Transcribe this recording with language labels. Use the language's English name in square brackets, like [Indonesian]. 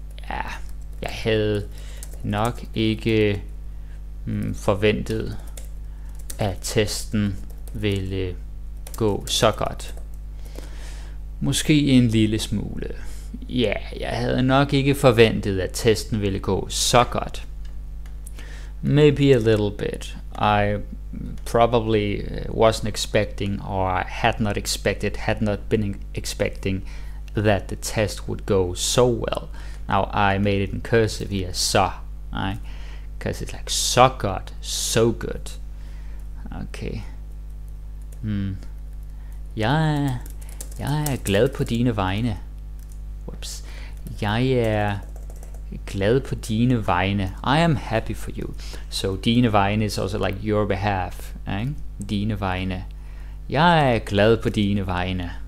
[Danish] Ja, jeg havde nok ikke forventet, at testen ville gå så godt. Måske en lille smule. Ja, jeg havde nok ikke forventet, at testen ville gå så godt. [English] Maybe a little bit. I probably wasn't expecting, or I had not been expecting that the test would go so well. Now I made it in cursive here, so, right? Because it's like so good, so good. Okay. [Danish] Jeg er glad på dine vegne. Whoops. Jeg er glad på dine vegne. [English] I am happy for you. So [Danish] dine vegne [English] is also like your behalf, right? [Danish] Dine vegne. Jeg er glad på dine vegne.